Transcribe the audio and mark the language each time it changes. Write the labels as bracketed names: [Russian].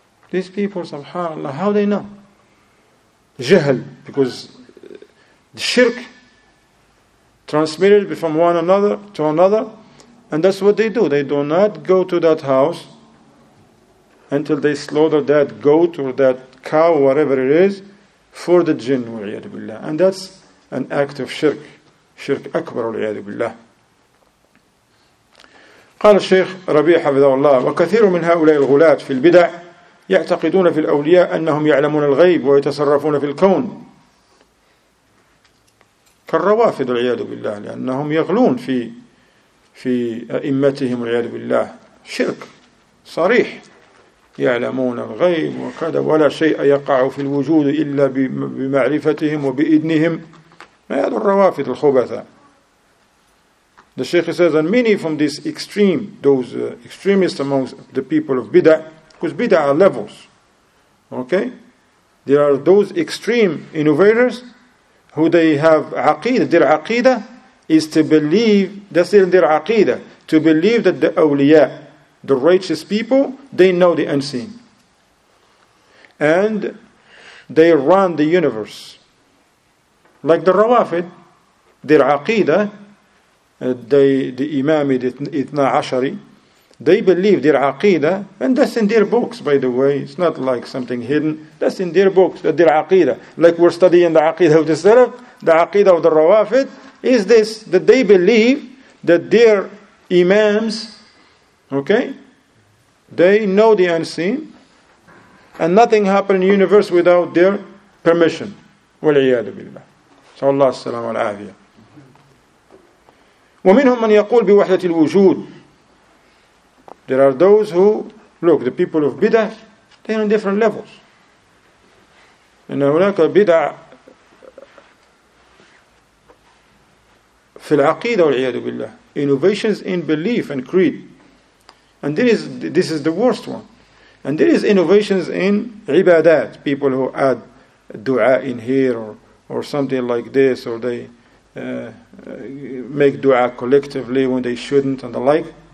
[English] These people, subhanAllah, how they know? Jahl, because the shirk transmitted from one another to another, and that's what they do. They do not go to that house until they slaughter that goat or that cow, whatever it is, for the jinn, wa'iyadu billah. And that's an act of shirk. Shirk akbar, wa'iyadu billah. [Arabic] قال الشيخ ربيع حفظه الله وكثير من هؤلاء الغلاة في البدع يعتقدون في الأولياء أنهم يعلمون الغيب ويتصرفون في الكون كالروافد العياذ بالله لأنهم يغلون في أئمتهم العياذ بالله شرك صريح يعلمون الغيب وكذا ولا شيء يقع في الوجود إلا بمعرفتهم وبإذنهم ما يدل الروافد الخبثاء. [English] The Sheikh says, and many from this extreme, those extremists amongst the people of Bid'ah, because Bid'ah are levels, okay? There are those extreme innovators who they have aqidah. Their aqidah is to believe, that's in their aqidah, to believe that the awliya, the righteous people, they know the unseen. And they run the universe. Like the Rawafid, their aqidah, the Imam Ithna Ashari, they believe their aqidah, and that's in their books, by the way. It's not like something hidden. That's in their books, that their aqidah. Like we're studying the aqidah of the Salaf, the aqidah of the Rawafid, is this, that they believe that their Imams, okay, they know the unseen, and nothing happened in the universe without their permission. Wal'iyadu billah. So Allah salam al-afiyah. [Arabic] ومنهم من يقول بوحدة الوجود. [English] There are those who look, the people of bid'ah, they are on different levels. [Arabic] إن هناك بدع في العقيدة والعياذ بالله. [English] Innovations in belief and creed. And this is the worst one. And there is innovations in عبادات. People who add du'a in here or something like this, or they make dua collectively when they shouldn't and the like.